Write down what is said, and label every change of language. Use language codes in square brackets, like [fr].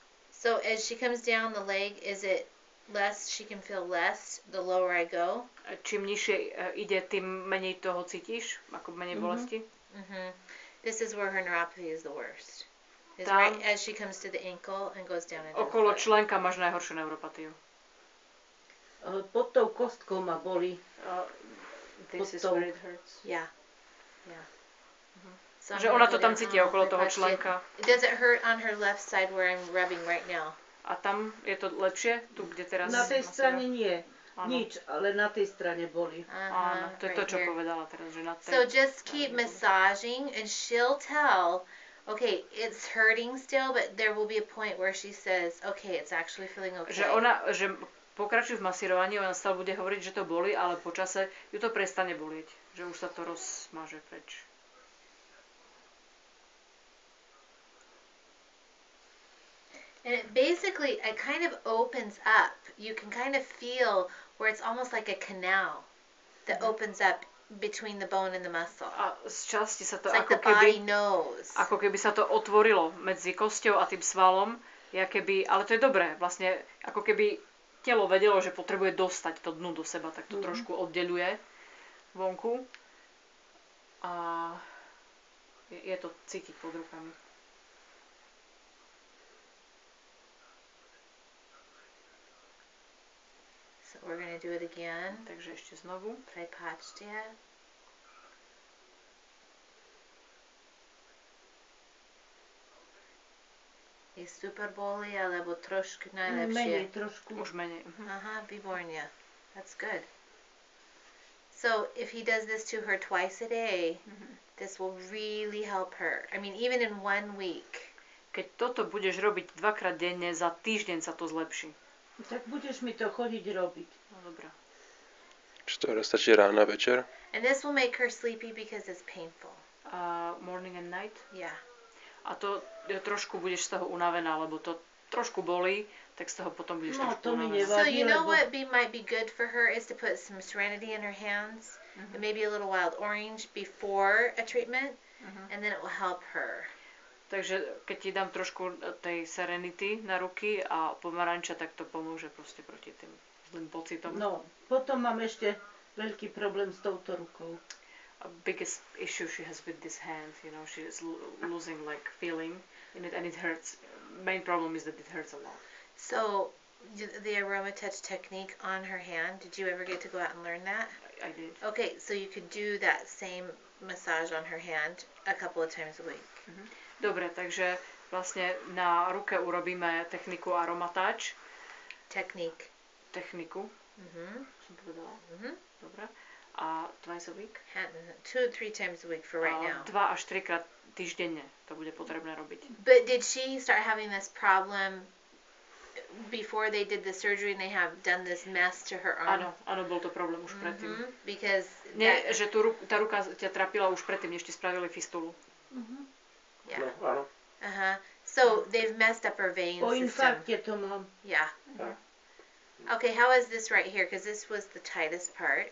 [en] So as she comes down the leg, is it less she can feel less the lower I go. [sk] Čím nižšie ide, tým menej toho cítiš, ako menej bolesti. [en] This is where her neuropathy is the worst. Is tam, right as she comes to the ankle and goes down into [sk] okolo členka máš najhoršiu neuropatiu. Pod tou kostkou ma bolí. [en] This is where it hurts. Yeah. [sk] Mhm. Že ona to tam cíti okolo toho členka. [en] Does it hurt on her left side where I'm rubbing right now? [sk] A tam je to lepšie? Tu, kde teraz... Na tej strane nie. Áno. Nič, ale na tej strane boli. Aha, áno, to je [en] right [sk] to, čo [en] here. [sk] Povedala teraz, že na tej... [en] So just keep massaging and she'll tell, okay, it's hurting still, but there will be a point where she says, okay, it's actually feeling okay. [sk] Že ona, že pokračuje v masírovaní, ona stále bude hovoriť, že to boli, ale počase ju to prestane bolieť, že už sa to rozmaže preč. [en] And it basically, it kind of opens up. You can kind of feel where it's almost like a canal that opens up between the bone and the muscle. [sk] A z časti sa to ako [en] like the [sk] keby, [en] body knows. [sk] Ako keby sa to otvorilo medzi kosťou a tým svalom. Jakoby, ale to je dobré. Vlastne, ako keby telo vedelo, že potrebuje dostať to dno do seba, tak to trošku oddeľuje vonku. A je to cítiť pod rukami. [en] So we're going to do it again. [sk] Takže ešte znovu. Prepáčte. [en] Yeah. [sk] je super boli, alebo trošku najlepšie? Menej, trošku. Už menej. Aha, výborne. [en] That's good. So, if he does this to her twice a day, this will really help her. I mean, even in 1 week. [sk] Keď toto budeš robiť dvakrát denne, za týždeň sa to zlepší. Tak budeš mi to chodiť robiť. No, dobrá. Čo to stačí ráno a večer? [en] And this will make her sleepy because it's painful. Morning and night? Yeah. [sk] A to trošku budeš z toho unavená, lebo to trošku bolí, tak z toho potom budeš trošku unavená. Nevadí, [en] so you know [sk] lebo... [en] what be, might be good for her is to put some serenity in her hands, and maybe a little wild orange before a treatment, and then it will help her. [sk] Takže keď ti dám trošku tej serenity na ruky a pomaranča, tak to pomôže proste proti tým zlým pocitom. No, potom mám ešte veľký problém s touto rukou. [en] A biggest issue she has with this hand, you know, she is losing like feeling in it and it hurts. Main problem is that it hurts a lot. So, the aroma touch technique on her hand, did you ever get to go out and learn that? I did. Okay, so you could do that same massage on her hand a couple of times a week. [sk] Dobre, takže vlastne na ruke urobíme techniku aroma touch. [en] Technique. [sk] Techniku. Mhm. Som povedala. Mhm. Dobre. [en] A twice a week? 2 or 3 times a week for right now. [sk] 2 až 3 krát týždenne to bude potrebné robiť. [en] But did she start having this problem before they did the surgery and they have done this mess to her arm? [sk] Áno, áno, bol to problém už predtým. [en] Because [sk] that... Nie, že tu ruka, tá ruka ťa trápila už predtým, než ti spravili fistulu. [en] Yeah. [sk] No, áno. [en] So they've messed up her vein [sk] system. Po infarkte to mám. [en] Yeah. Okay, how is this right here? Because this was the tightest part.